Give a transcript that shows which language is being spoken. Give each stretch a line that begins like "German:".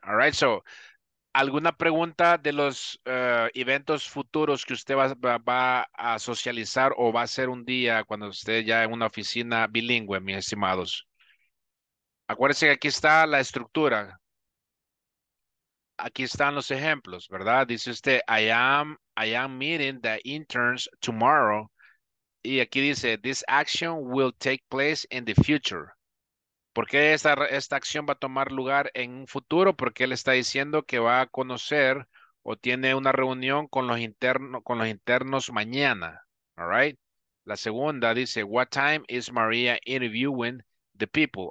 English: All right, so,
Spanish: ¿alguna pregunta de los eventos futuros que usted va a socializar o va a hacer un día cuando usted ya en una oficina bilingüe, mis estimados? Acuérdense que aquí está la estructura. aquí están los ejemplos, ¿verdad? Dice usted,
English: I am meeting the interns tomorrow.
Spanish: Y aquí dice,
English: this action will take place in the future.
Spanish: ¿Por qué esta acción va a tomar lugar en un futuro? Porque él está diciendo que va a conocer o tiene una reunión con los internos mañana.
English: All right.
Spanish: La segunda dice,
English: what time is Maria interviewing the people?